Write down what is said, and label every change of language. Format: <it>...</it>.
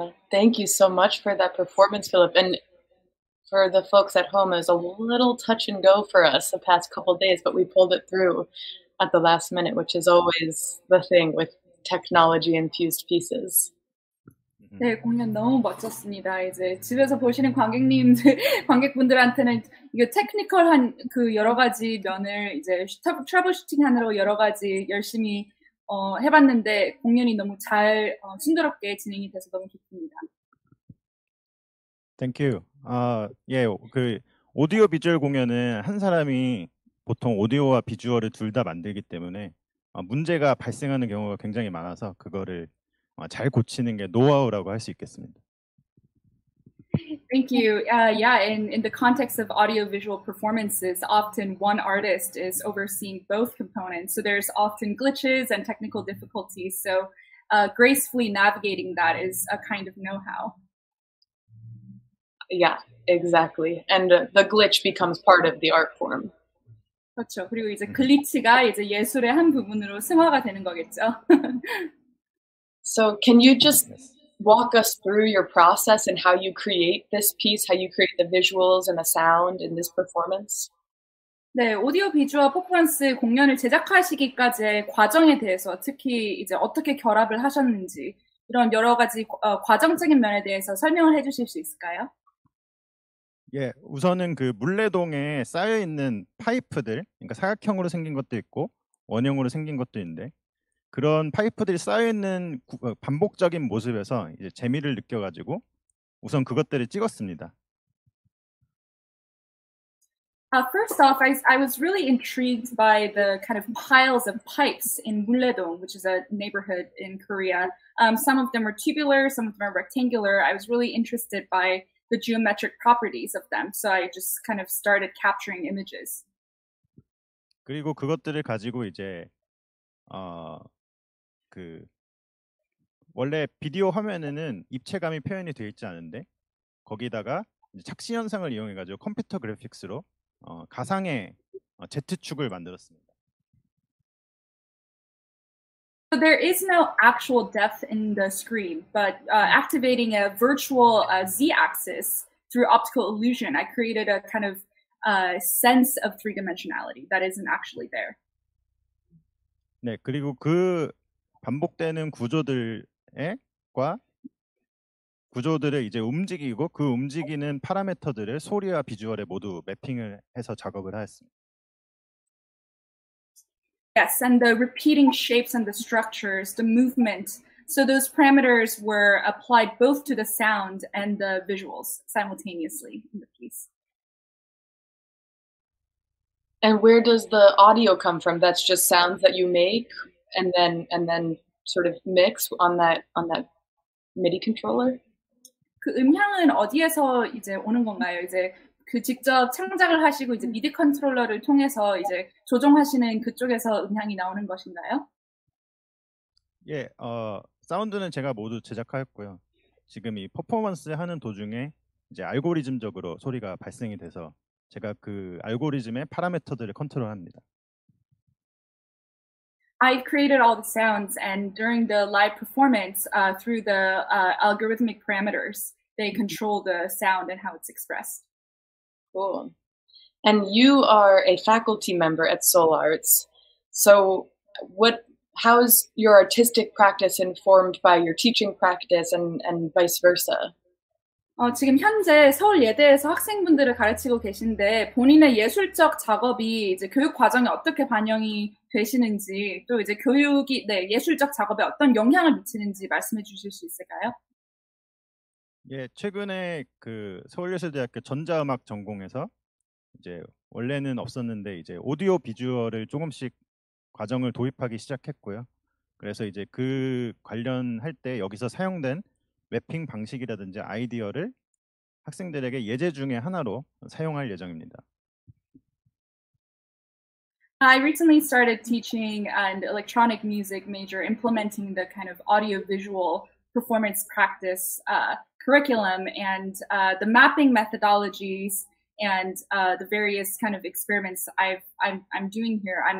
<en>Thank you so much for that performance, Philip. And for the folks at home, it was a little touch and go for us the past couple of days, but we pulled it through at the last minute, which is always the thing with technology-infused pieces.</en> <ko>네, 공연 너무 멋졌습니다. 이제 집에서 보시는 관객님들, 관객분들한테는 이게 테크니컬한 그 여러 가지 면을 이제 트러블 슈팅 하느라 여러 가지 열심히 해봤는데 공연이 너무 잘 순조롭게 진행이 돼서 너무 좋습니다.</ko> <en>Thank you.</en> <ko>예, 그 오디오 비주얼 공연은 한 사람이 보통 오디오와 비주얼을 둘 다 만들기 때문에 문제가 발생하는 경우가 굉장히 많아서 그거를 잘 고치는 게 노하우라고 할 수 있겠습니다.</ko> <en>Thank you. Yeah, in the context of audiovisual performances, often one artist is overseeing both components. So there's often glitches and technical difficulties. So gracefully navigating that is a kind of know-how. Yeah, exactly. And the glitch becomes part of the art form.</en> <ko>그렇죠. 그리고 이제 글리치가 이제 예술의 한 부분으로 승화가 되는 거겠죠.</ko> <en>So can you just walk us through your process and how you create this piece, how you create the visuals and the sound in this performance?</en> <ko>네, 오디오 비주얼 퍼포먼스 공연을 제작하시기까지의 과정에 대해서 특히 이제 어떻게 결합을 하셨는지 이런 여러 가지 과정적인 면에 대해서 설명을 해 주실 수 있을까요? 예, 우선은 그 물레동에 쌓여 있는 파이프들, 그러니까 사각형으로 생긴 것도 있고 원형으로 생긴 것도 있는데 그런 파이프들이 쌓여있는 반복적인 모습에서 이제 재미를 느껴가지고 우선 그것들을 찍었습니다.</ko> <en>First off, I was really intrigued by the kind of piles of pipes in 물레동, which is a neighborhood in Korea. Some of them are tubular, some of them are rectangular. I was really interested by the geometric properties of them, so I just kind of started capturing images.</en> <ko>그리고 그것들을 가지고 이제 그 원래 비디오 화면에는 입체감이 표현이 되어 있지 않은데 거기다가 착시현상을 이용해가지고 컴퓨터 그래픽스로 가상의 Z축을 만들었습니다.</ko> <en>So there is no actual depth in the screen, but activating a virtual Z-axis through optical illusion, I created a kind of sense of three-dimensionality that isn't actually there.</en> <ko>네, 그리고 그 반복되는 구조들과 구조들을 이제 움직이고 그 움직이는 파라메터들을 소리와 비주얼에 모두 매핑을 해서 작업을 하였습니다.</ko> <en>Yes, and the repeating shapes and the structures, the movement. So those parameters were applied both to the sound and the visuals simultaneously in the piece. And where does the audio come from? That's just sounds that you make and then sort of mix on that MIDI controller?</en> <ko>그 음향은 어디에서 이제 오는 건가요? 이제 그 직접 창작을 하시고 이제 미디 컨트롤러를 통해서 이제 조종하시는 그쪽에서 음향이 나오는 것인가요? 예, 사운드는 제가 모두 제작하였고요. 지금 이 퍼포먼스 하는 도중에 이제 알고리즘적으로 소리가 발생이 돼서 제가 그 알고리즘의 파라메터들을 컨트롤합니다.</ko> <en>I created all the sounds and during the live performance through the algorithmic parameters, they control the sound and how it's expressed. Cool. And you are a faculty member at SeoulArts. So what, how is your artistic practice informed by your teaching practice and vice versa?</en> <ko>지금 현재 서울 예대에서 학생분들을 가르치고 계신데 본인의 예술적 작업이 이제 교육 과정에 어떻게 반영이 되시는지 또 이제 교육이 네, 예술적 작업에 어떤 영향을 미치는지 말씀해 주실 수 있을까요? 예, 최근에 그 서울예술대학교 전자음악 전공에서 이제 원래는 없었는데 이제 오디오 비주얼을 조금씩 과정을 도입하기 시작했고요. 그래서 이제 그 관련할 때 여기서 사용된 매핑 방식이라든지 아이디어를 학생들에게 예제 중에 하나로 사용할 예정입니다.</ko> <en>I recently started teaching an electronic music major implementing the kind of audiovisual performance practice curriculum and the mapping methodologies and the various kind of experiments I'm doing here.</en>